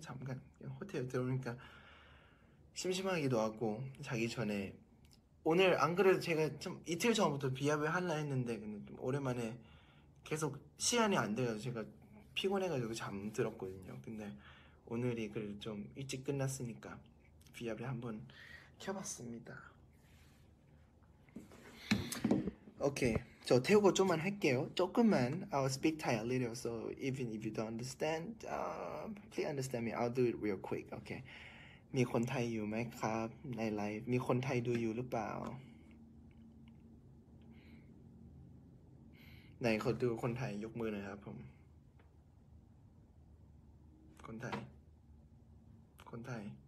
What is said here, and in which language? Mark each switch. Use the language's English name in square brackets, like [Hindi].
[Korean] 잠깐 호텔 들어오니까 심심하기도 하고 자기 전에 오늘 안 그래도 제가 좀 이틀 전부터 비합을 할라 했는데 근데 좀 오랜만에 계속 시간이 안 돼서 제가 피곤해가지고 잠들었거든요. 근데 오늘이 그래도 좀 일찍 끝났으니까 비합을 한번 켜봤습니다. 오케이, 저 태국어 좀만 할게요. 조금만. [English] I'll speak Thai a little, so even if you don't understand, please understand me. I'll do it real quick. Okay. [Thai] มีคนไทยอยู่ไหมครับในไลฟ์มีคนไทยดูอยู่หรือเปล่าไหนเขาดูคนไทยยกมือหน่อยครับผมคนไทยคนไทย